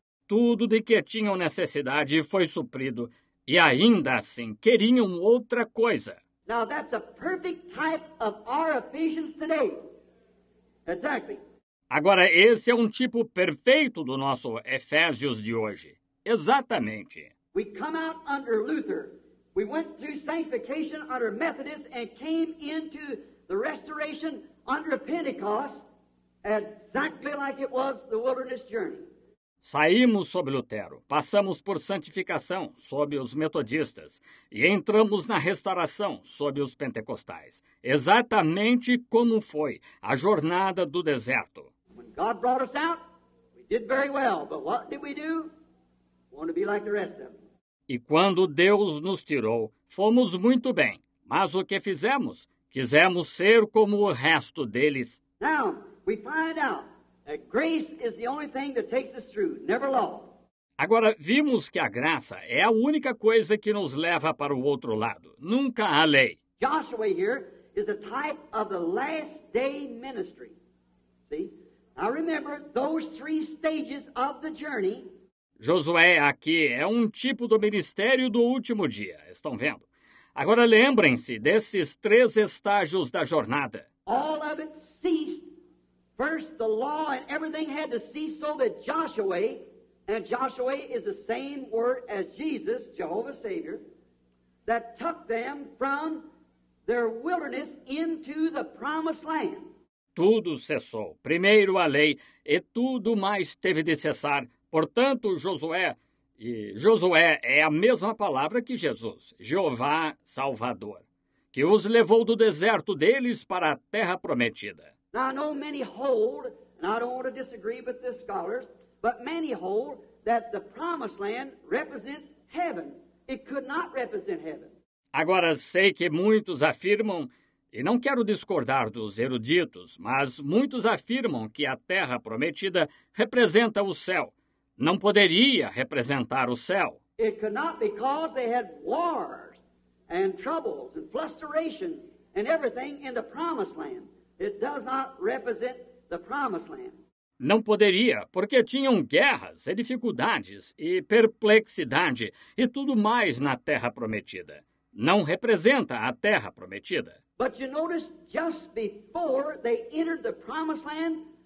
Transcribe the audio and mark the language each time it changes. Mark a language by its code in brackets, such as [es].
[pt] Tudo de que tinham necessidade foi suprido, e ainda assim queriam outra coisa. [en] Now that's a perfect type of our Ephesians today. Exactly. [pt] Agora esse é um tipo perfeito do nosso Efésios de hoje. Exatamente. [en] We come out under Luther. We went through sanctification under Methodist and came into the restoration under Pentecost. Exactly like it was the wilderness journey. [pt] Saímos sob Lutero, passamos por santificação sob os metodistas e entramos na restauração sob os pentecostais, exatamente como foi a jornada do deserto. [en] When God brought us out, we did very well, but what did we do? Want to be like the rest of them. [pt] E quando Deus nos tirou, fomos muito bem, mas o que fizemos? Quisemos ser como o resto deles. [en] Now, we find out that grace is the only thing that takes us through, never law. [pt] Agora vimos que a graça é a única coisa que nos leva para o outro lado, nunca a lei. [en] Joshua here is a type of the last day ministry. See? Now remember those three stages of the journey. [pt] Josué aqui é um tipo do ministério do último dia, estão vendo? Agora lembrem-se desses três estágios da jornada. [en] All of it ceased. First, the law and everything had to cease so that Joshua, and Joshua is the same word as Jesus, Jehovah Savior, that took them from their wilderness into the promised land. [pt] Tudo cessou. Primeiro a lei e tudo mais teve de cessar. Portanto, Josué é a mesma palavra que Jesus, Jeová Salvador, que os levou do deserto deles para a terra prometida. [en] Now, I know many hold, and I don't want to disagree with the scholars, but many hold that the promised land represents heaven. It could not represent heaven. [pt] Agora, sei que muitos afirmam, e não quero discordar dos eruditos, mas muitos afirmam que a terra prometida representa o céu. Não poderia representar o céu. [en] It could not because they had wars and troubles and frustrations and everything in the promised land. It does not represent the promised land. [pt] Não poderia, porque tinham guerras, e dificuldades e perplexidade e tudo mais na terra prometida. Não representa a terra prometida. [en] But you notice just before they entered the promised land,